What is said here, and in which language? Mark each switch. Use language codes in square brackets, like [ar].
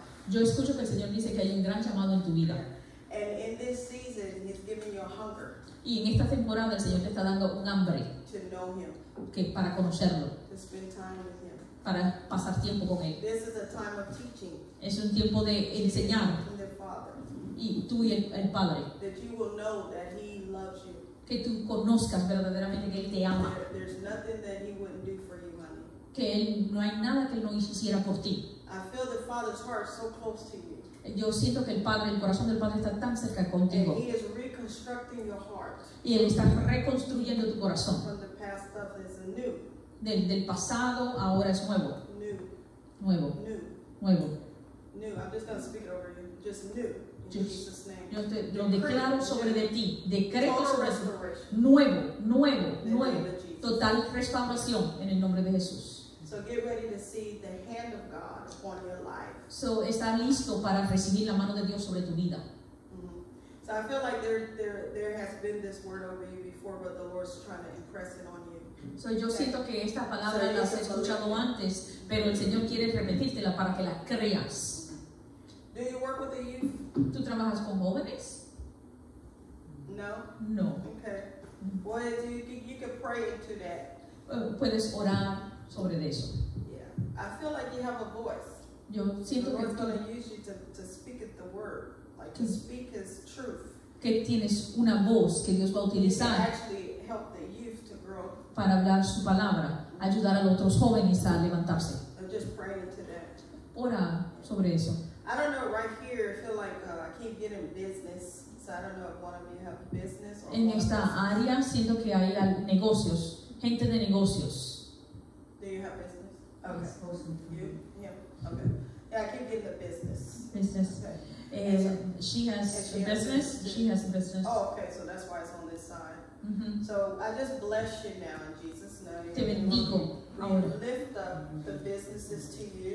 [es] Yo escucho que el Señor dice que hay un gran llamado en tu vida. [en] And in this season, he's giving you a hunger. [es] Y en esta temporada el Señor te está dando un hambre. [en] To know him. [es] Que para conocerlo. [en] To spend time with him. [es] Para pasar tiempo con él. [en] This is a time of teaching. [es] Es un tiempo de enseñar. [en] The Father. [es] Y tú y el Padre. [en] That you will know that he loves you. [es] Que tú conozcas verdaderamente que él te ama. [en] There's nothing that he wouldn't do for you, honey. [es] Que él, no hay nada que él no hiciera por ti. [en] I feel the Father's heart so close to you. [es] Yo siento que el Padre, el corazón del Padre está tan cerca contigo. [en] And he is reconstructing your heart. [es] Y él está reconstruyendo tu corazón. [en] From the past stuff is new. [es] Del pasado ahora es nuevo. [en] New. [es] Nuevo. [en] New. [es] Nuevo. [en] New. I'm just going to speak over you. Just new. [es] Yo te lo declaro sobre de ti, decreto sobre ti, nuevo, total restauración en el nombre de Jesús. [en] So get ready to see the hand of God upon your life. [es] So está listo para recibir la mano de Dios sobre tu vida. [en] So I feel like there has been this word over you before, but the Lord's trying to impress it on you. [es] So yo siento que esta palabra la has escuchado antes, pero el Señor quiere repetírtela para que la creas. [en] Do you work with the youth? [es] ¿Tú trabajas con jóvenes? [en] No. [es] No. [en] Okay. Well, you can pray into that. [es] Puedes orar sobre eso. [en] Yeah. I feel like you have a voice. [es] Yo siento que [en] the Lord's going to use you to speak the word, like to speak his truth. [es] Que tienes una voz que Dios va a utilizar. [en] You can actually help the youth to grow. [es] Para hablar su palabra, ayudar a los otros jóvenes a levantarse. [en] I'm just praying into that. [es] Ora sobre eso. [en] I don't know, right here, I feel like I keep getting business, so I don't know if one of you have business or [es] en esta área siento que hay negocios, gente de negocios. [en] Do you have business? Okay. Yes, mostly. You? Yeah. Okay. Yeah, I keep getting the business. Business. Okay. She has a business. Oh, okay, so that's why it's on this side. Mm-hmm. So I just bless you now in Jesus' name. [es] Te bendigo. [en] We lift up the businesses to you.